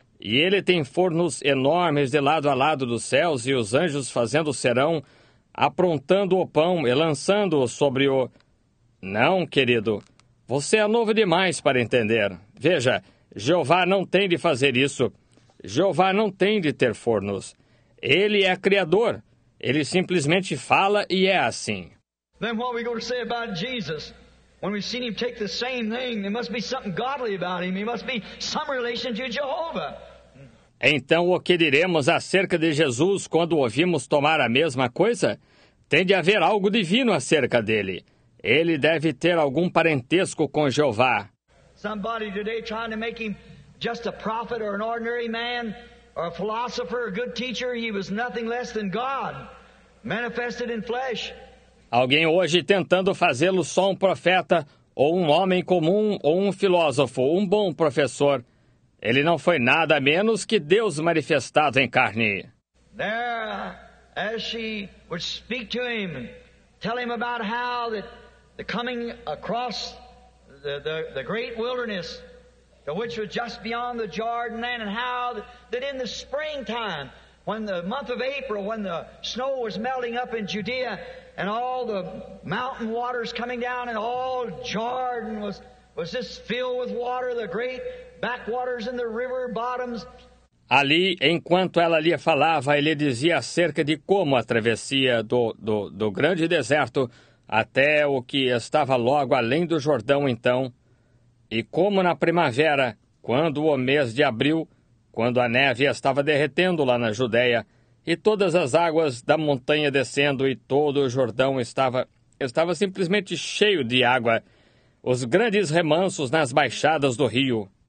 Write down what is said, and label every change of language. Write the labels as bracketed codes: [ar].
[pt] E ele tem fornos enormes de lado a lado dos céus, e os anjos fazendo serão, aprontando o pão e lançando-o sobre o... Não, querido, você é novo demais para entender. Veja, Jeová não tem de fazer isso. Jeová não tem de ter fornos. Ele é Criador. Ele simplesmente fala e é assim. [en] Then what are we going to say about Jesus? When we've seen him take the same thing, there must be something godly about him. He must be some relation to Jehovah. [pt] Então, o que diremos acerca de Jesus quando ouvimos tomar a mesma coisa? Tem de haver algo divino acerca dele. Ele deve ter algum parentesco com Jeová. [en] Somebody today trying to make him just a prophet or an ordinary man or a philosopher or a good teacher, he was nothing less than God, manifested in flesh. [pt] Alguém hoje tentando fazê-lo só um profeta, ou um homem comum, ou um filósofo, um bom professor. Ele não foi nada menos que Deus manifestado em carne. [en] There, as she would speak to him, tell him about how that the coming across the great wilderness, which was just beyond the Jordan, then, and how that in the springtime, when the month of April, when the snow was melting up in Judea, and all the mountain waters coming down, and all Jordan was just filled with water, the great backwaters and the river bottoms. [pt] Ali, enquanto ela lhe falava, ele dizia acerca de como a travessia do grande deserto até o que estava logo além do Jordão então, e como na primavera, quando o mês de abril, quando a neve estava derretendo lá na Judeia, e todas as águas da montanha descendo e todo o Jordão estava simplesmente cheio de água, os grandes remansos nas baixadas do rio.